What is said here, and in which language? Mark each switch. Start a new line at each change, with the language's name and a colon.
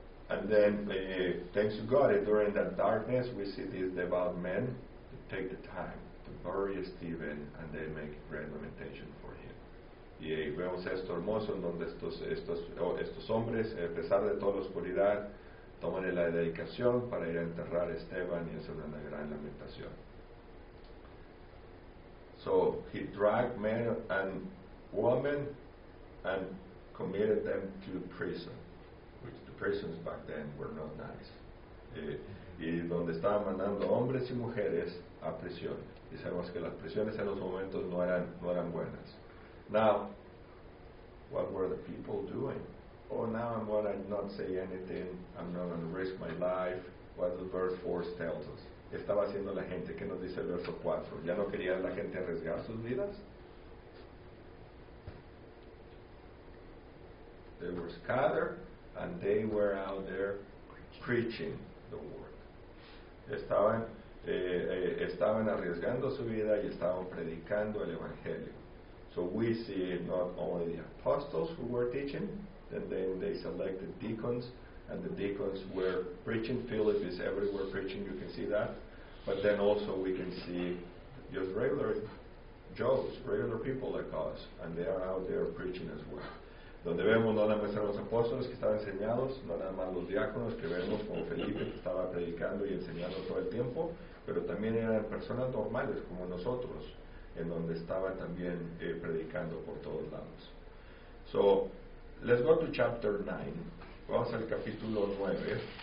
English: And then, thanks to God, during that darkness, we see these devout men take the time to bury Stephen and then make grand lamentation for him.
Spanish: Y vemos esto hermoso, en donde estos hombres, a pesar de toda la oscuridad, toman la dedicación para ir a enterrar a Esteban y hacer una gran lamentación.
English: So he dragged men and women and committed them to prison, which the prisons back then were not nice.
Spanish: Y donde estaban mandando hombres y mujeres a prisión. y sabemos que las presiones en los momentos no eran buenas.
English: Now, what were the people doing? Oh, now I'm gonna not say anything. I'm not gonna risk my life. What does verse 4 tells us?
Spanish: ¿Qué estaba haciendo la gente? ¿Qué nos dice el verso 4? ¿Ya no quería la gente arriesgar sus vidas?
English: They were scattered and they were out there preaching the word.
Spanish: Estaban arriesgando su vida y estaban predicando el evangelio.
English: So we see not only the apostles who were teaching, and then they selected deacons, and the deacons were preaching. Philip is everywhere preaching, you can see that. But then also we can see just regular Joes, regular people like us, and they are out there preaching as well.
Spanish: Donde vemos no nada más a los apóstoles que estaban enseñados, no nada más los diáconos que vemos como Felipe que estaba predicando y enseñando todo el tiempo, pero también eran personas normales como nosotros, en donde estaban también predicando por todos lados.
English: So, let's go to chapter 9.
Spanish: Vamos al capítulo 9.